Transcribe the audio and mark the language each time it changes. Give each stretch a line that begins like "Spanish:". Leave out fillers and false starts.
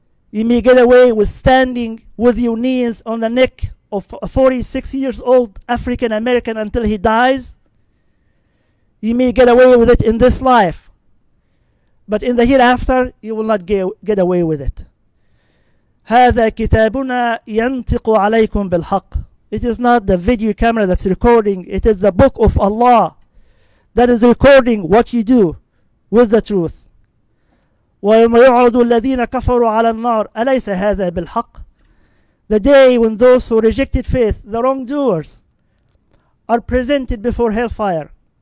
English: You may get away with standing with your knees on the neck of a 46-year-old African-American until he dies. You may get away with it in this life. But in the hereafter, you will not get away with it.
Arabic: هذا كتابنا ينطق عليكم بالحق.
English: It is not the video camera that's recording. It is the book of Allah that is recording what you do with the truth.
Arabic: وَيَوْمَ يُعْرَضُ الَّذِينَ كَفَرُوا عَلَى النَّارِ أَلَيْسَ هَذَا بِالْحَقِّ.
English: The day when those who rejected faith, the wrongdoers, are presented before hellfire.